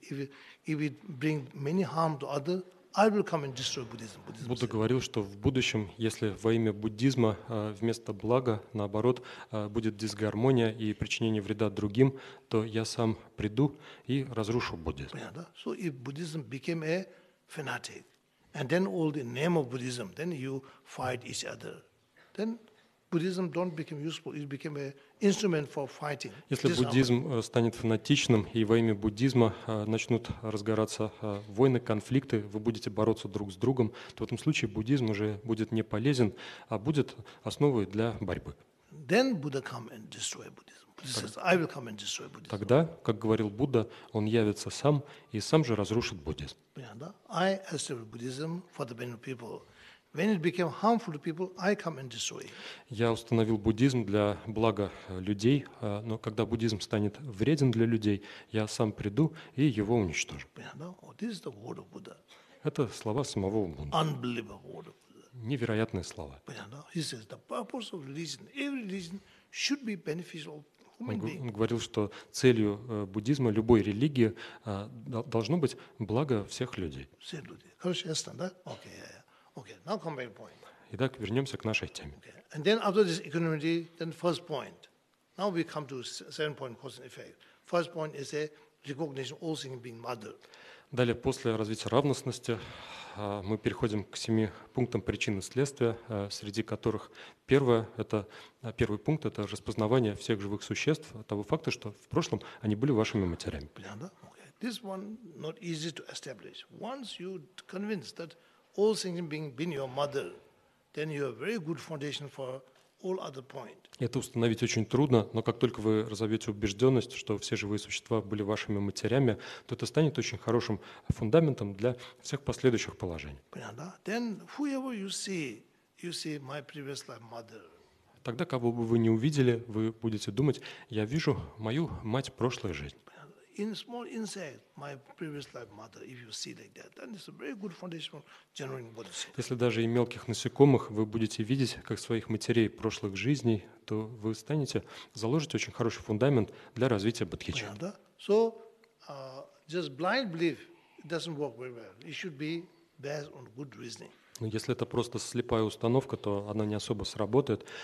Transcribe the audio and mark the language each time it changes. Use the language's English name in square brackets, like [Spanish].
[English] If it bring many harm to other, I will come and destroy Buddhism. [Russian] Будда говорил, что в будущем, если во имя буддизма вместо блага, наоборот, будет дисгармония и причинение вреда другим, то я сам приду и разрушу буддизм. Понятно, да? [English] So if Buddhism became a fanatic, and then all the name of Buddhism, then you fight each other, then Buddhism don't become useful. It became an instrument for fighting. [Russian] Если буддизм станет фанатичным и во имя буддизма начнут разгораться войны, конфликты, вы будете бороться друг с другом, то в этом случае буддизм уже будет не полезен, а будет основой для борьбы. [English] Then Buddha come and destroy Buddhism. Buddha says, "I will come and destroy Buddhism." [Russian] Тогда, как говорил Будда, он явится сам и сам же разрушит буддизм. [English] I establish Buddhism for the benefit of people. When it became harmful to people, I come and destroy. [Russian] Я установил буддизм для блага людей, но когда буддизм станет вреден для людей, я сам приду и его уничтожу. [English] This is the word of Buddha. [Russian] Это слова самого Будды. [English] Unbelievable word of Buddha. [Russian] Невероятные слова. [English] He says the purpose of religion, every religion should be beneficial. [Russian] Он говорил, что целью буддизма, любой религии, должно быть благо всех людей. Все люди. Хорошо, ясно, да? Окей, я. [English] Okay, now come back to point. [Russian] Итак, вернемся к нашей теме. [English] Okay. And then after this equanimity, then first point. Now we come to second point, cause and effect. First point is a recognition of all things being mother. [Russian] Далее, после развития равностности, мы переходим к семи пунктам причин и следствия, среди которых первый пункт – это распознавание всех живых существ, того факта, что в прошлом они были вашими матерями. Понятно, да? [English] Okay. This one not easy to establish. Once you convince that all things being your mother, then you have very good foundation for all other point. [Russian] Это установить очень трудно, но как только вы разовьете убежденность, что все живые существа были вашими матерями, то это станет очень хорошим фундаментом для всех последующих положений. Понятно, да? [English] Then whoever you see my previous life mother. [Russian] Тогда, кого бы вы ни увидели, вы будете думать, я вижу мою мать прошлой жизни. [English] In small insect, my previous life mother. If you see like that, then it's a very good foundation for generating Buddhism. [Russian] Если даже и мелких насекомых вы будете видеть как своих матерей прошлых жизней, то вы станете заложить очень хороший фундамент для развития бодхичитты. Понятно, да? [English] So, just blind belief doesn't work very well. It should be based on good reasoning. [Russian] Но если это просто слепая установка, то она не особо сработает.